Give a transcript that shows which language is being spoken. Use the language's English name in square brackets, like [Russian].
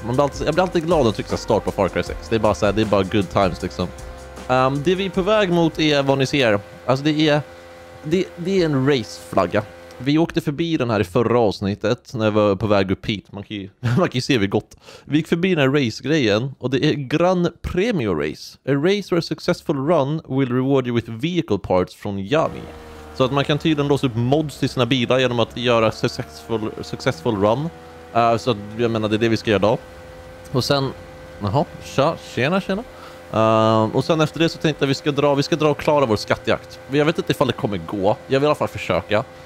[Swedish] Man blir alltid, jag blir alltid glad att trycka start på Far Cry 6. Det är bara så här, det är bara [English] good times [Swedish] liksom. Det vi är på väg mot är vad ni ser. Alltså det är... Det är en race-flagga. Vi åkte förbi den här i förra avsnittet när vi var på väg upp hit. Man kan ju se hur gott. Vi gick förbi den här race-grejen och det är Gran Premio Race. [English] A race where a successful run will reward you with vehicle parts from Yami. [Swedish] Så att man kan tydligen låsa upp mods till sina bilar genom att göra [English] successful run. [Swedish] Så att, jag menar, det är det vi ska göra idag. Och sen, tjena. Och sen efter det så tänkte jag att vi ska dra och klara vår skattjakt. Jag vet inte ifall det kommer gå. Jag vill i alla fall försöka.